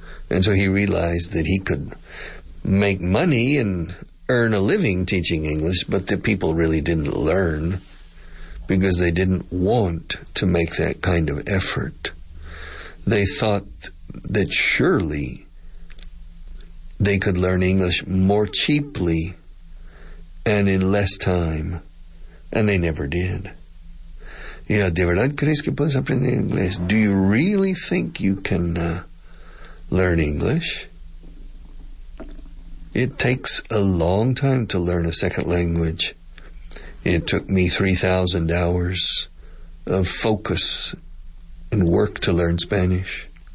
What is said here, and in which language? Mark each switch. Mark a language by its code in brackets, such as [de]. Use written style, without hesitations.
[en] And so he realized that he could make money and earn a living teaching English, but that people really didn't learn because they didn't want to make that kind of effort. They thought that surely they could learn English more cheaply and in less time, and they never did. [es] Yeah, ¿de verdad crees que puedes aprender inglés? [en] Do you really think you can learn English? It takes a long time to learn a second language. It took me 3,000 hours of focus and work to learn Spanish.